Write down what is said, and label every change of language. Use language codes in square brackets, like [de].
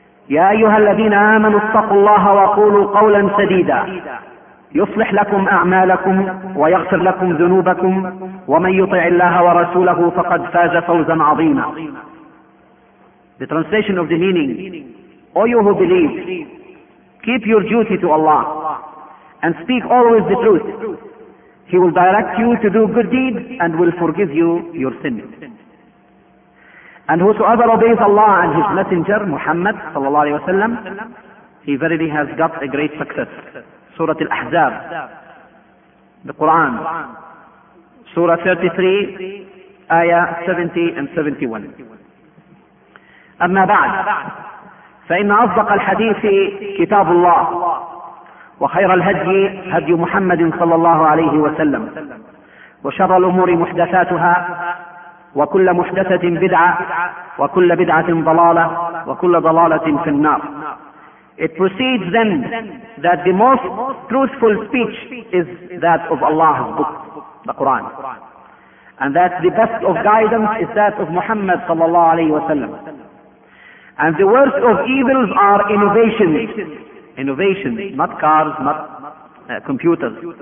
[ar] يا أيها الذين آمنوا اتقوا الله وقولوا قولا سديدا يصلح لكم أعمالكم ويغفر لكم ذنوبكم ومن يطع الله ورسوله فقد فاز فوزا عظيما. [en] The translation of the meaning: O you who believe, keep your duty to Allah and speak always the truth. He will direct you to do good deeds and will forgive you your sins. And whosoever obeys Allah and His Messenger, Muhammad [ar] sallallahu alayhi wa sallam, [en] he verily has got a great success. Surah Al-Ahzab, the Quran, Surah 33, Ayah 70 and 71. [ar] أما بعد فإن أصدق الحديث كتاب الله وخير الهدي هدي محمد صلى الله عليه وسلم وشر الأمور محدثاتها وكل محدثة بدعة وكل بدعة ضلالة وكل ضلالة في النار. [en] It proceeds then that the most truthful speech is that of Allah's book, the Quran, and that the best of guidance is that of Muhammad [ar] صلى الله عليه وسلم, [en] and the worst of evils are innovations, not cars, not computers.